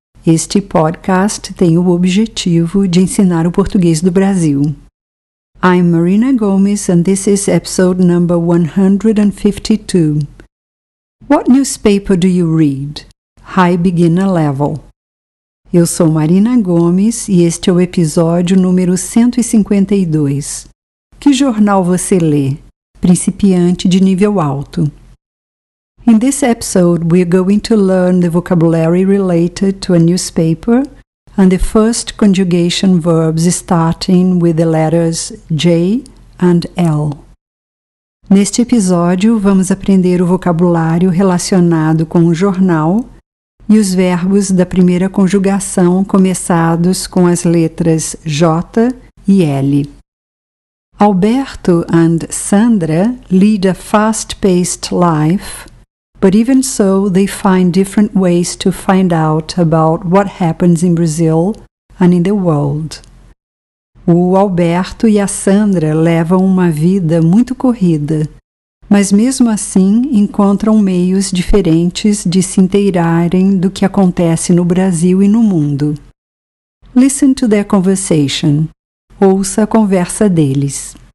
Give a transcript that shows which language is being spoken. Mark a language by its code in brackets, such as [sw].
[pt] Este podcast tem o objetivo de ensinar o português do Brasil. [en] I'm Marina Gomes and this is episode number 152. What newspaper do you read? High beginner level. [pt] Eu sou Marina Gomes e este é o episódio número 152. Que jornal você lê? Principiante de nível alto. [en] In this episode, we are going to learn the vocabulary related to a newspaper and the first conjugation verbs starting with the letters J and L. [pt] Neste episódio, vamos aprender o vocabulário relacionado com o jornal e os verbos da primeira conjugação começados com as letras J e L. [en] Alberto and Sandra lead a fast-paced life, but even so, they find different ways to find out about what happens in Brazil and in the world. [pt] O Alberto e a Sandra levam uma vida muito corrida, mas mesmo assim encontram meios diferentes de se inteirarem do que acontece no Brasil e no mundo. [en] Listen to their conversation. Ouça a conversa deles.